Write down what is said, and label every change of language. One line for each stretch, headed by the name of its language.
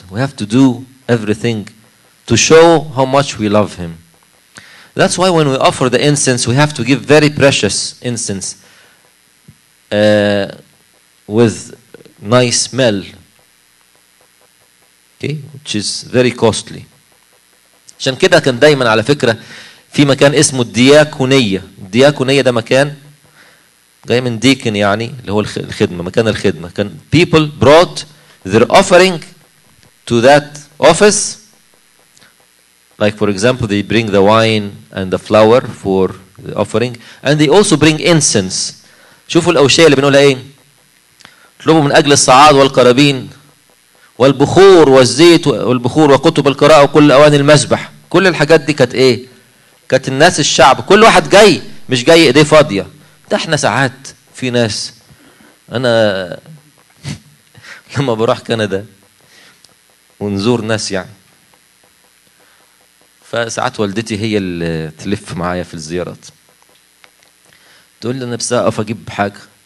English: We have to do everything to show how much we love him. That's why when we offer the incense, we have to give very precious incense with nice smell, okay, which is very costly.
Arabic: عشان كده كان دايما على فكرة في مكان اسمه الدياكونية. الدياكونية ده مكان جاي من ديكن يعني اللي هو الخدمة, مكان الخدمة. كان
English: people brought their offering to that office. Like for example they bring the wine and the flour for the offering and they also bring incense.
Arabic: شوفوا الأوشية اللي بنقولها ايه, طلبوا من أجل الصعاد والقرابين والبخور والزيت والبخور وكتب القراءة وكل أواني المسبح. كل الحاجات دي كانت إيه؟ كانت الناس الشعب كل واحد جاي مش جاي إيديه فاضية. ده احنا ساعات في ناس, أنا لما بروح كندا ونزور ناس يعني, فساعات والدتي هي اللي تلف معايا في الزيارات تقول لي أنا بس أقف أجيب حاجة.